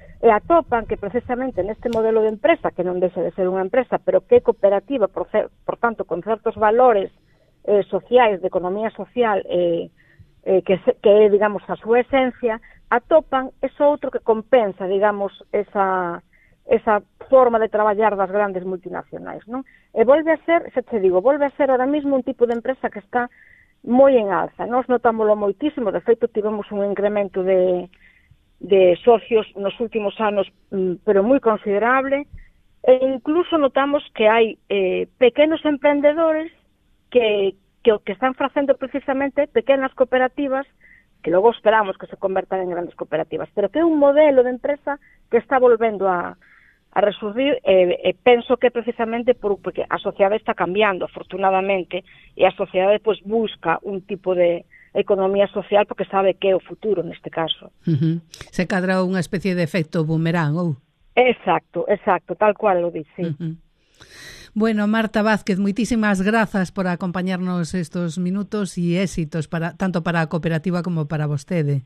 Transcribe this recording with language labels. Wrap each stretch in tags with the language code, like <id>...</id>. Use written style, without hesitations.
<gl>E atopan que precisamente neste modelo de empresa, que non deixa de ser unha empresa, pero que é cooperativa, por tanto, con certos valores sociais, de economía social, que é, digamos, a súa esencia, atopan eso outro que compensa, digamos, esa forma de traballar das grandes multinacionais, non? E volve a ser, xa te digo, volve a ser</gl> <es>ahora mismo</es> <gl>un tipo de empresa que está moi en alza. Nos notámoslo moitísimo, de feito tivemos un incremento de socios nos últimos anos, pero moi considerable, e incluso notamos que hai pequenos emprendedores que están facendo precisamente pequenas cooperativas que logo esperamos que se convertan en grandes cooperativas, pero que é un modelo de empresa que está volvendo a resurgir e penso que precisamente porque a sociedade está cambiando, afortunadamente, e a sociedade pues, busca un tipo de economía social porque sabe que é o futuro neste caso. Se cadra unha especie de efecto boomerang, ou?</gl> <es>Exacto, exacto, tal cual lo dice.</es> <gl>Bueno, Marta Vázquez, moitísimas grazas por acompañarnos estos minutos e éxitos tanto para a cooperativa como para vostede.</gl>